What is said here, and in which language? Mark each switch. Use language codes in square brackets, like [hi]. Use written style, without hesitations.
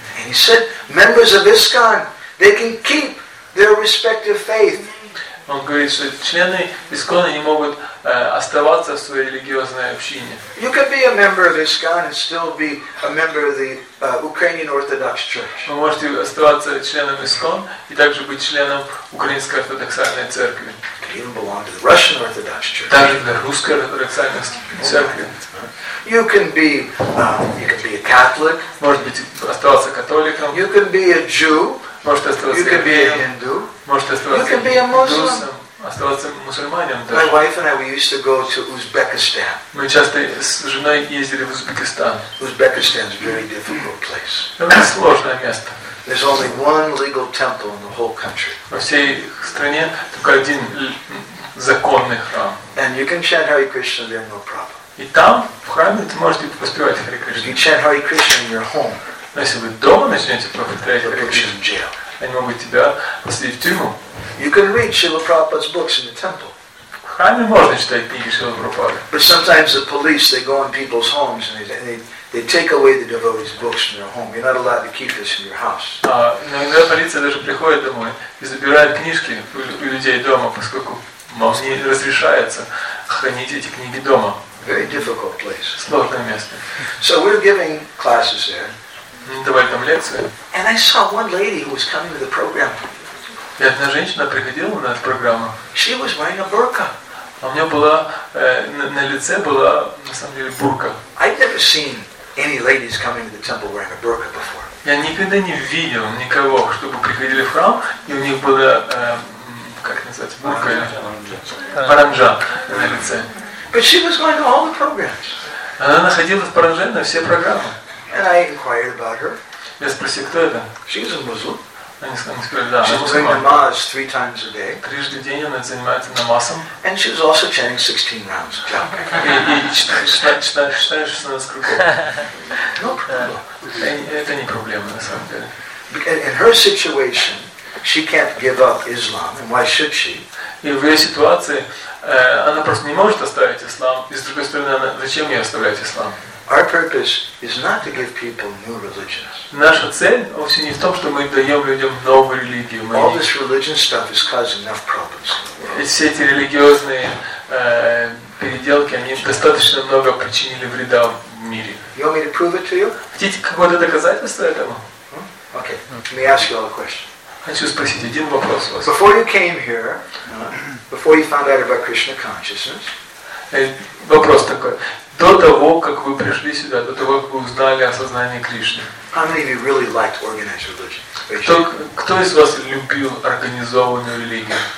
[en] And he said, members of ISKCON, they can keep their respective faith. [ru] Он говорит, что члены ИСКОН не могут оставаться в своей религиозной общине. [en] You can be a member of ISKCON and still be a member of the Ukrainian Orthodox Church. [ru] Вы можете оставаться членом ИСКОН и также быть членом Украинской ортодоксальной церкви. [en] Even belong to the Russian Orthodox Church. [ru] Также для русской ортодоксальной церкви. [en] You can be a Catholic. [ru] Можете быть оставаться католиком. [en] You can be a Jew. [ru] Можете оставаться. [en] You can be a Hindu. [ru] Можете оставаться. [en] You can be a Muslim. [ru] Оставаться мусульманином. Да. [en] My wife and I, we used to go to Uzbekistan. [ru] Мы часто с женой ездили в Узбекистан. [en] Uzbekistan is a very difficult place. [ru] Это сложное место. [en] There's only one legal temple in the whole country. [ru] Во всей стране только один законный храм. [en] And you can chant Hare Krishna there, no problem. [ru] И там в храме ты можешь поспевать Hare Krishna. [en] You chant Hare Krishna in your home. [ru] Но если вы дома начнете повторять Hare [en] Krishna, jail. [ru] Они могут тебя посадить в тюрьму. [en] You can read Srila Prabhupada's books in the temple. [ru] храме можно читать книги Шрилы Прабхупады. [en] But sometimes the police, they go in people's homes and they take away the devotees' books from their home. You're not allowed to keep this in your house. [ru] Иногда полиция даже приходит домой и забирает книжки у людей дома, поскольку не разрешается хранить эти книги дома. [en] Very difficult place. [ru] Сложное место. [en] So we're giving classes there. [ru] Давали там лекции. [en] And I saw one lady who was coming to the program. [ru] И одна женщина приходила на эту программу. [en] She was wearing a burqa. [ru] А у нее была на лице была на самом деле бурка. [en] I've never seen any ladies coming to the temple wearing a burqa before. [ru] Я никогда не видел никого, чтобы приходили в храм и у них была как называется бурка или паранджа на лице. [en] But she was going to all the programs. [ru] Она находилась в паранже на все программы. [en] And I inquired about her. [ru] Я спросил, кто это? [en] She was a Muslim. [ru] Трижды в день она занимается намазом. [en] And she was also chanting 16 rounds. No problem. [ru] Это не проблема на самом деле. [en] Because in her situation, she can't give up Islam, and why should she? [ru] И в ее ситуации она просто не может оставить ислам. И с другой стороны, зачем ей оставлять ислам? [en] Our purpose is not to give people new religions. [ru] Наша цель вовсе не в том, что мы даем людям новую религию. [en] All this religious stuff is causing enough problems. [ru] Все эти религиозные переделки, они достаточно много причинили вреда в мире. [en] You want me to prove it to you? [ru] Хотите какое-то доказательство этому? [en] Okay. Let me ask you all a question. [ru] Хочу спросить один вопрос у вас. [en] Before you came here, before you found out about Krishna consciousness. [ru] Вопрос такой. До того, как вы пришли сюда, до того, как вы узнали о сознании Кришны. Кто из вас любил организованную религию?